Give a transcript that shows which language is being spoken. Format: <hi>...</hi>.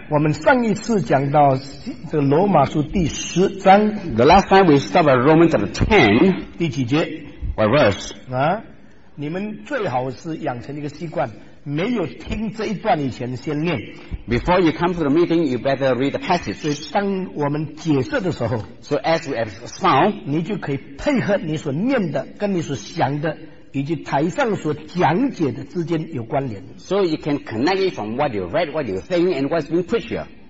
<zh>我们上一次讲到这个罗马书第十章。</zh> <en>The last time we stopped at Romans chapter 10.</en> <zh>第几节</zh> <en>？What verse？</en> <zh>啊，你们最好是养成一个习惯，没有听这一段以前先念。</zh> <en>Before you come to the meeting, you better read the passage.</en> <zh>所以当我们解释的时候</zh> <en>，So as we expound，</en> <zh>你就可以配合你所念的跟你所想的。以及台上所讲解的之间有关联。</zh> <en>So you can connect it from what you read, what you think, and what's been preached here.</en>